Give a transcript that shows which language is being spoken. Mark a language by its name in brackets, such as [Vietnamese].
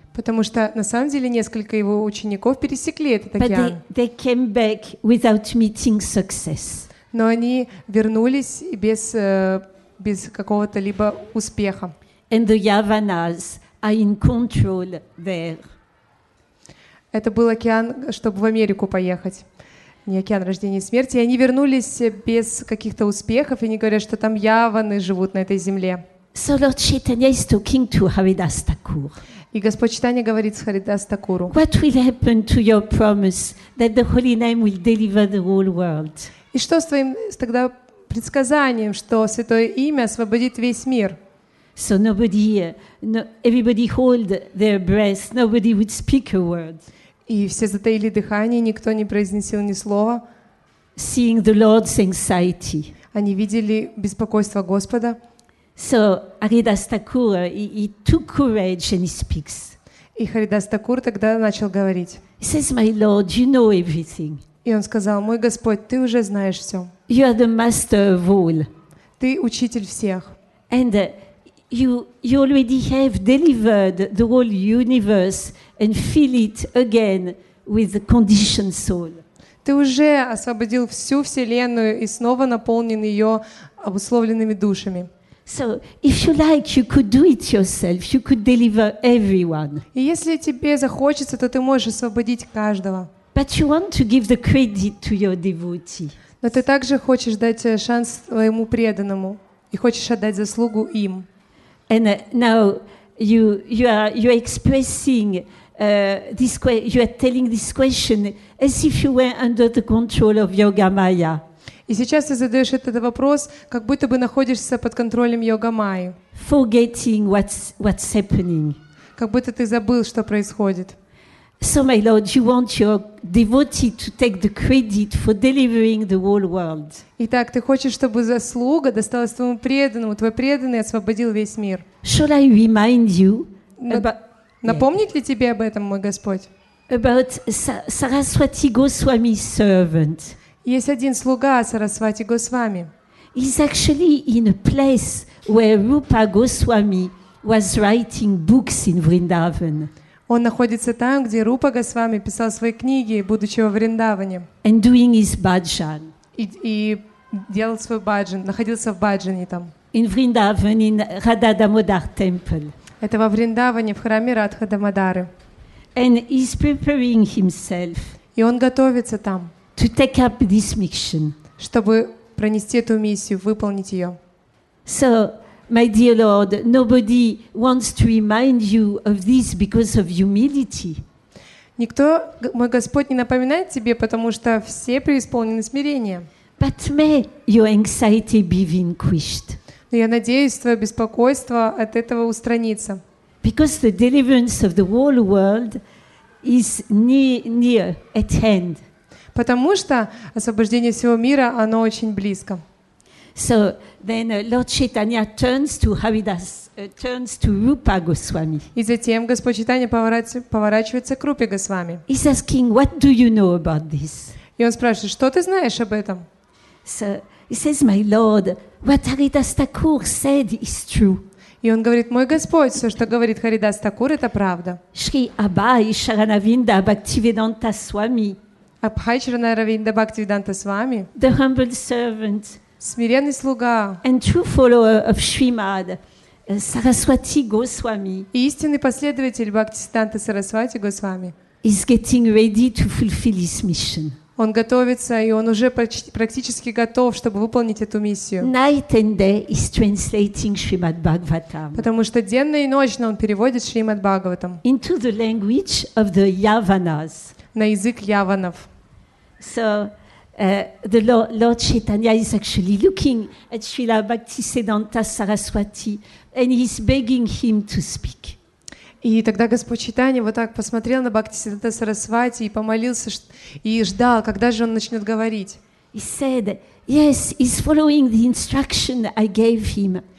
[Russian] Потому что на самом деле несколько его учеников пересекли этот [English] But [Russian] океан. [English] They came back without meeting success. [Russian] Но они вернулись без какого-то либо успеха. [English] And the Yavanas are in control there. [Russian] Это был океан, чтобы в Америку поехать. Не океан рождения и смерти. И они вернулись без каких-то успехов, и они говорят, что там Яваны живут на этой земле. [English] So Lord Chaitanya is talking to Haridas Thakur. [Russian] И Господь Чайтанья говорит с Харидас Такуру. [English] What will happen to your promise that the holy name will deliver the whole world? [Russian] И что с твоим тогда предсказанием, что святое имя освободит весь мир? [English] So nobody, everybody hold their breath. Nobody would speak a word. [Russian] И все затаили дыхание, никто не произносил ни слова. [English] Seeing the Lord's anxiety. [Russian] Они видели беспокойство Господа. [English] So Haridas Thakur he took courage and he speaks. [Russian] И Харидас Такур тогда начал говорить. [English] He says, "My Lord, you know everything." [Russian] И он сказал: "Мой Господь, ты уже знаешь все." [English] You are the master of all. [Russian] Ты учитель всех. [English] And you already have delivered the whole universe and fill it again with the conditioned soul. [Russian] Ты уже освободил всю вселенную и снова наполнен ее обусловленными душами. [English] So, if you like, you could do it yourself. You could deliver everyone. [Russian] И если тебе захочется, то ты можешь освободить каждого. [English] But you want to give the credit to your devotee. [Russian] Но ты также хочешь дать шанс своему преданному и хочешь отдать заслугу им. [English] And now you are expressing this. You are telling this question as if you were under the control of Yogamaya. [Russian] И сейчас ты задаешь этот вопрос, как будто бы находишься под контролем Йогамайи. [English] Forgetting what's happening. [Russian] Как будто ты забыл, что происходит. [English] So, my Lord, you want your devotee to take the credit for delivering the whole world. [Russian] Итак, ты хочешь, чтобы заслуга досталась твоему преданному, твой преданный освободил весь мир. [English] Shall I remind you? [Russian] Напомнить ли тебе об этом, мой Господь? [English] About Saraswati Goswami's servant. [Russian] Есть один слуга Сарасвати Госвами. [English] He's actually in a place where Rupa Goswami was writing books in Vrindavan. [Russian] Он находится там, где Рупа Госвами писал свои книги, будучи во Вриндаване. [English] And doing his bhajan. [Russian] И делал свой bhajan, находился в bhajani там. [English] In Vrindavan, in Radha Damodar temple. [Russian] Это во Вриндаване, в храме Радха Дамодары. [English] And he's preparing himself. [Russian] И он готовится там. [English] To take up this mission. [Russian] Чтобы пронести эту миссию, выполнить ее. [English] So, my dear Lord, nobody wants to remind you of this because of humility. [Russian] Никто, мой Господь, не напоминает тебе, потому что все преисполнены смирения. [English] But may your anxiety be vanquished. [Russian] Но я надеюсь, твое беспокойство от этого устранится. [English] Because the deliverance of the whole world is near at hand. [Russian] Потому что освобождение всего мира, оно очень близко. [English] So then Lord Chaitanya turns to Haridas, turns to Rupa Goswami. [Russian] И затем Господь Чайтанья поворачивается к Рупе Госвами. [English] He's asking, what do you know about this? [Russian] И он спрашивает, что ты знаешь об этом? [English] So he says, my Lord, what Haridas Thakur said is true. [Russian] И он говорит, мой Господь, все, что говорит Харидас Такур, это правда. Шри Абай Шаранавинда Бхактивиданта Свами. Абхай Чаранаравинда Бхактивиданта Свами. [English] The humble servant. [Russian] Смиренный слуга. [English] And true follower of Shrimad, Saraswati Goswami. [Russian] И истинный последователь Бхактивиданта Сарасвати Госвами. [English] Is getting ready to fulfill his mission. [Russian] Он готовится, и он уже практически готов, чтобы выполнить эту миссию. [English] Night and day is translating Shrimad Bhagavatam. [Russian] Потому что денно и ночно он переводит Шримад Бхагаватам. [English] Into the language of the Yavanas. [Russian] На язык яванов. [English] So, the Lord Chaitanya is actually looking at Srila Bhaktisiddhanta Saraswati and he's begging him to speak. [Russian] И тогда Господь Чайтанья вот так посмотрел на Бхактисиддханта Сарасвати и помолился и ждал, когда же он начнет говорить. [English] He said, yes, he's following the instruction I gave him.